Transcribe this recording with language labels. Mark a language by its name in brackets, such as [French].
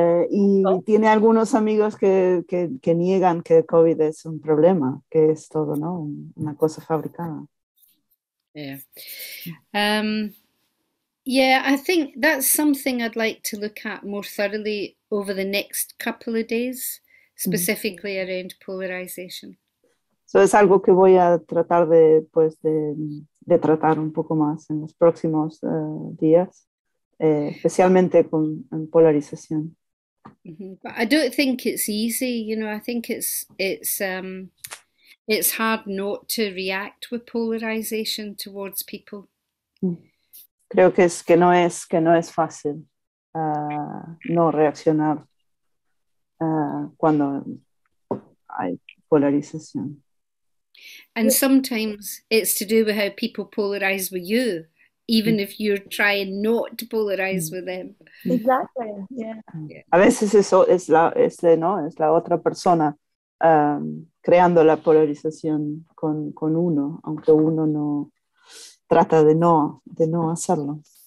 [Spanish] Y tiene algunos amigos que niegan que COVID es un problema, que es todo, ¿no? Una cosa fabricada. [English] Yeah, I think that's something I'd like to look at more thoroughly over the next couple of days, specifically around polarization. [Spanish] So es algo que voy a tratar de, pues, de tratar un poco más en los próximos días, especialmente con polarización. [English] But I don't think it's easy, you know, I think it's hard not to react with polarization towards people. [Spanish] Creo que es que no es fácil no reaccionar cuando hay polarización. [English] And sometimes it's to do with how people polarize with you, even if you're trying not to polarize with them. Exactly. Yeah. [Spanish] A veces eso es la otra persona creando la polarización con uno, aunque uno no trata de no hacerlo.